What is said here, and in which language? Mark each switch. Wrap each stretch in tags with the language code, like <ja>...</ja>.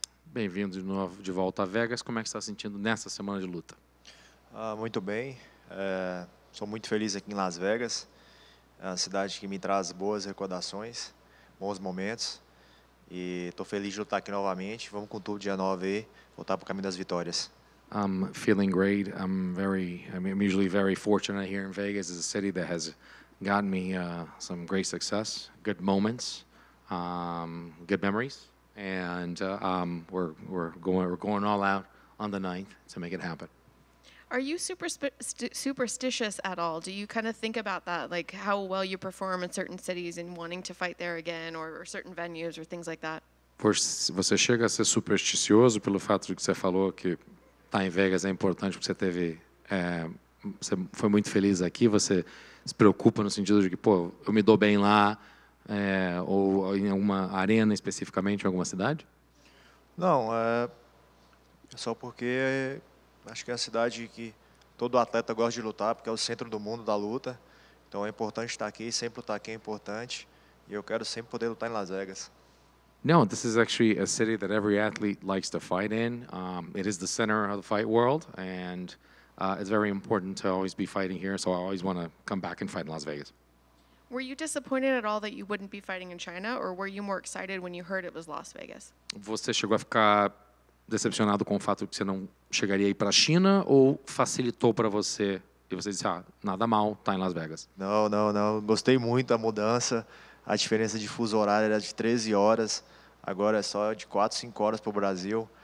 <pt>Bem-vindo de novo de volta a Vegas. Como é que está se sentindo nessa semana de luta? Muito bem. Sou muito feliz aqui em Las Vegas. É uma cidade que me traz boas recordações, bons momentos. E estou feliz de lutar aqui novamente. Vamos com tudo dia 9 aí, voltar para o caminho das vitórias.</pt> <en>I'm feeling great. I'm usually very fortunate here in Vegas. It's a city that has gotten me some great success, good moments, good memories, and we're going all out on the 9th to make it happen. Are you superstitious at all? Do you kind of think about that, like how well you perform in certain cities and wanting to fight there again, or certain venues or things like that?</en> <pt>Você chega a ser supersticioso pelo fato de que você falou que tá em Vegas é importante porque você teve você foi muito feliz aqui, você se preocupa no sentido de que, pô, eu me dou bem lá ou em alguma arena especificamente, em alguma cidade? Não, é só porque acho que é a cidade que todo atleta gosta de lutar, porque é o centro do mundo da luta. Então é importante estar aqui, sempre lutar aqui é importante, e eu quero sempre poder lutar em Las Vegas.</pt> <en>No, this is actually a city that every athlete likes to fight in. It is the center of the fight world, and it's very important to always be fighting here, so I always want to come back and fight in Las Vegas. Were you disappointed at all that you wouldn't be fighting in China, or were you more excited when you heard it was Las Vegas?</en> <pt>Você chegou a ficar decepcionado com o fato que você não chegaria aí para a China, ou facilitou para você, e você disse, ah, nada mal, tá em Las Vegas? Não. Gostei muito da mudança. A diferença de fuso horário era de 13 horas, agora é só de 4, 5 horas para o Brasil.</pt>